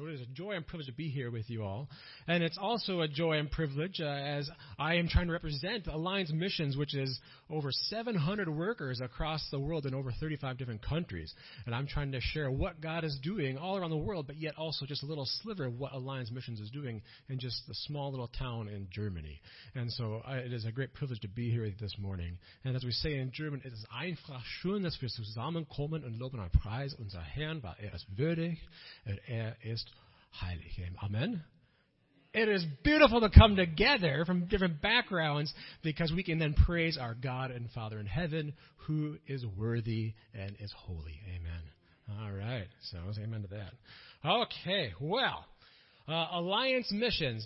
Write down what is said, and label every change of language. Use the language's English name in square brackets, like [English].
[English] So it is a joy and privilege to be here with you all. And it's also a joy and privilege as I am trying to represent Alliance Missions, which is over 700 workers across the world in over 35 different countries. And I'm trying to share what God is doing all around the world, but yet also just a little sliver of what Alliance Missions is doing in just a small little town in Germany. And so it is a great privilege to be here this morning. And as we say in German, it is [German] einfach schön, dass wir zusammenkommen und loben und preisen unser Herrn, weil ist würdig und ist heilig. [English] Amen. It is beautiful to come together from different backgrounds because we can then praise our God and Father in heaven who is worthy and is holy. Amen. All right. So I'll say amen to that. Okay. Well, Alliance Missions.